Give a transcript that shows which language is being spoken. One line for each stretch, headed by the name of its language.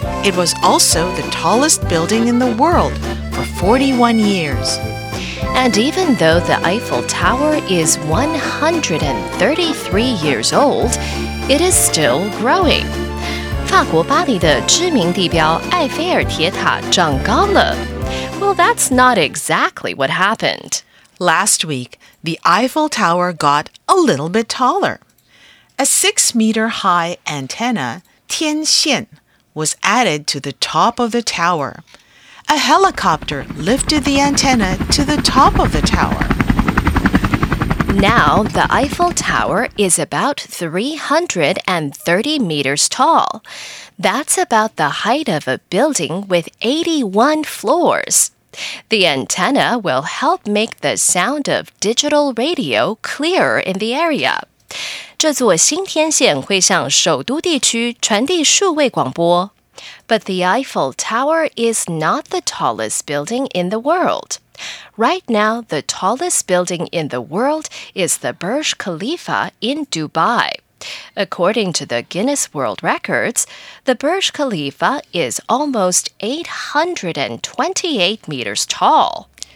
English: It was also the tallest building in the world for 41 years. And even though the Eiffel Tower is 133 years old, it is still growing.
Chinese: 法国巴黎的知名地标艾菲尔铁塔长高了。
English: Well, that's not exactly what happened. Last week, the Eiffel Tower got a little bit taller. A 6-meter-high antenna, 天线, was added to the top of the tower. A helicopter lifted the antenna to the top of the tower. Now, the Eiffel Tower is about 330 meters tall. That's about the height of a building with 81 floors. The antenna will help make the sound of digital radio clearer in the area.
Chinese: 这座新天线会向首都地区传递数位广播。
English: But the Eiffel Tower is not the tallest building in the world. Right now, the tallest building in the world is the Burj Khalifa in Dubai. According to the Guinness World Records, the Burj Khalifa is almost 828 meters tall.